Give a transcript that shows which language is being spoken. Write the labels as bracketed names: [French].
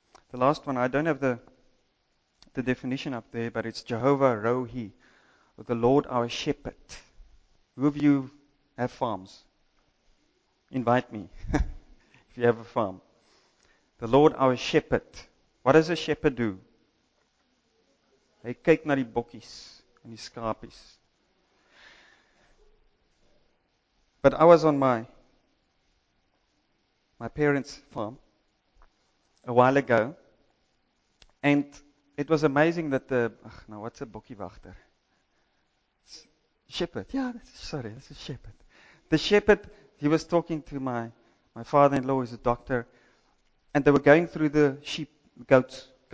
[English] The last one, I don't have the definition up there, but it's Jehovah Rohi, or the Lord our Shepherd. Who of you have farms? Invite me if you have a farm. The Lord our Shepherd. What does a shepherd do? [Afrikaans] Hy kyk na die bokkies en die skapies. [English] But I was on my parents' farm a while ago, and it was amazing that the what's a bokkiewagter? Shepherd. That's a shepherd. The shepherd, he was talking to my father-in-law, who's a doctor, and they were going through the goats.